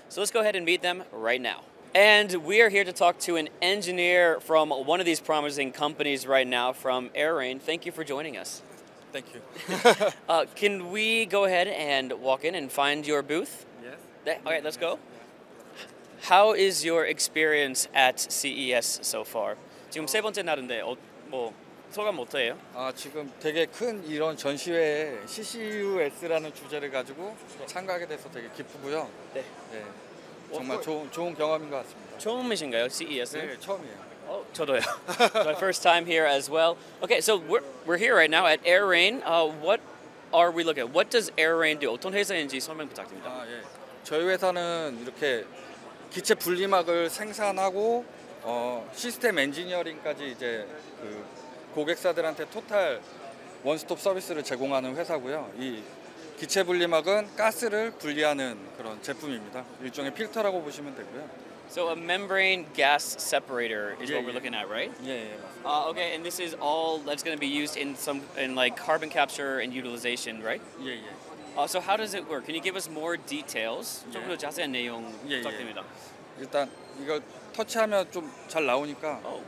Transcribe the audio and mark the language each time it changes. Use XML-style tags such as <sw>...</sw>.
<en>So let's go ahead and meet them right now. And we are here to talk to an engineer from one of these promising companies right now, from AIRRANE. Thank you for joining us. Thank you. Can we go ahead and walk in and find your booth? Yes. All right, let's go. How is your experience at CES so far?</en> <ko>지금 세 번째 날인데, 뭐 소감 어때요? 아, 지금 되게 큰 이런 전시회에 CCUS라는 주제를 가지고 참가하게 돼서 되게 기쁘고요. 네. 네. 정말 좋은 경험인 것 같습니다. 처음이신가요, CES? 네, 처음이에요. 어, 저도요.</ko> <en>My first time here as well. Okay, so we're here right now at AIRRANE. What are we looking at? What does AIRRANE do?</en> <ko>어떤 회사인지 설명 부탁드립니다. 아, 예. 저희 회사는 이렇게 기체 분리막을 생산하고 시스템 엔지니어링까지 이제 그 고객사들한테 토탈 원스톱 서비스를 제공하는 회사고요. 이 기체 분리막은 가스를 분리하는 그런 제품입니다. 일종의 필터라고 보시면 되고요.</ko> <en>So a membrane gas separator is what we're looking at, right? Yeah. Okay, and this is all that's going to be used in like carbon capture and utilization, right? Yeah. So how does it work? Can you give us more details?</en> <ko>좀 더 자세한 내용 부탁드립니다. 일단 이거 터치하면 좀 잘 나오니까.</ko>